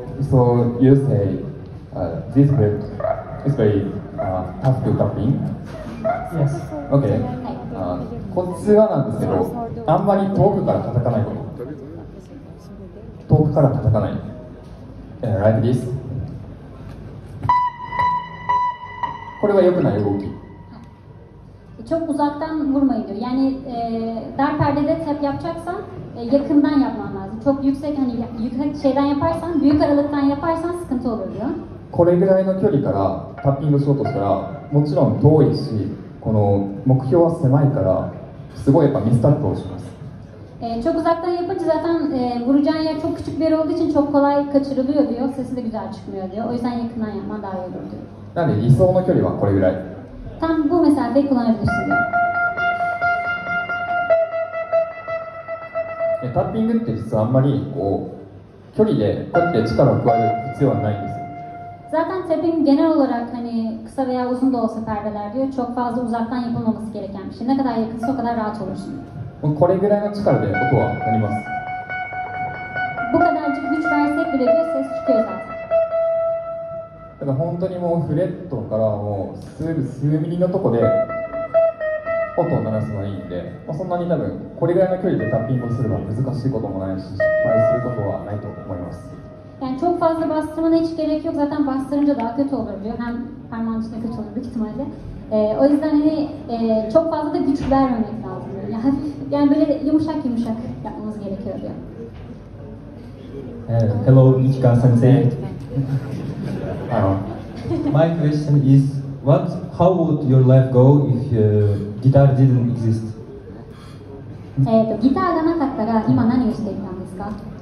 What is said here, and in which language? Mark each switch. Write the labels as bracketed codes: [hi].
[en] So you say this grip is very tough to tapping? Yes. Okay. [ja] コツはなんですけど、あんまり遠くから叩かないこと。遠くから叩かない。 [en] Like this. [ja] これは良くない動き。 [tr] Çok uzaktan vurmayın diyor. Yani dar perdede tap yapacaksan yakından yapman lazım. Çok yüksek hani yüksek şeyden yaparsan büyük aralıktan yaparsan sıkıntı olur diyor. [ja] これぐらいの距離からタッピングしようとしたらもちろん遠いし、この目標は狭いからすごいやっぱミスタップをします。 [tr] Çok uzaktan yapınca zaten vuracağın yer çok küçük bir yer olduğu için çok kolay kaçırılıyor diyor. Sesi de güzel çıkmıyor diyor. O yüzden yakından yapman daha iyi olur diyor. [ja] Yani 理想の距離はこれぐらい。 [tr] Tam bu mesafeyi kullanabilirsin diyor. [ja] タッピングって実はあんまりこう距離でこうやって力を加える必要はないんです。 [tr] Zaten tapping genel olarak hani kısa veya uzun da olsa perdeler diyor. Çok fazla uzaktan yapılmaması gereken bir şey. Ne kadar yakınsa o kadar rahat olursun diyor. [ja] これぐらいの力で音は鳴ります。僕たちが口からしてくれるセスチュケーター。だから本当にもうフレットからもう数ミリのとこで音を鳴らすのがいいんで、まあ、そんなに多分これぐらいの距離でタッピングをすれば難しいこともないし失敗することはないと思います。 [tr] Yani çok fazla bastırmana hiç gerek yok. Zaten bastırınca daha kötü olur diyor. Hem parmağın içine kötü olur büyük ihtimalle. O yüzden hani çok fazla da güç vermemek lazım. Yani böyle yumuşak yumuşak yapmamız gerekiyor diyor. [en] Hello, Ichika Sensei. My question is, how would your life go if guitar didn't exist? [ja] ギターがなかったら今何をしていたんですか？